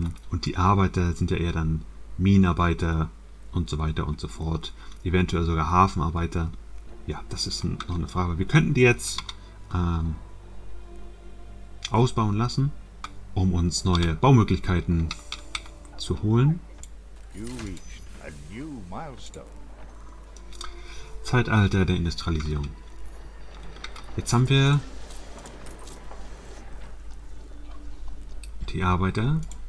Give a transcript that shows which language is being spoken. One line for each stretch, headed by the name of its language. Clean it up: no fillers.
German: Und die Arbeiter sind ja eher dann Minenarbeiter und so weiter und so fort. Eventuell sogar Hafenarbeiter. Ja, das ist noch eine Frage. Wir könnten die jetzt ausbauen lassen, um uns neue Baumöglichkeiten zu holen.
English: You reached a new milestone.
German: Zeitalter der Industrialisierung. Jetzt haben wir die Arbeiter.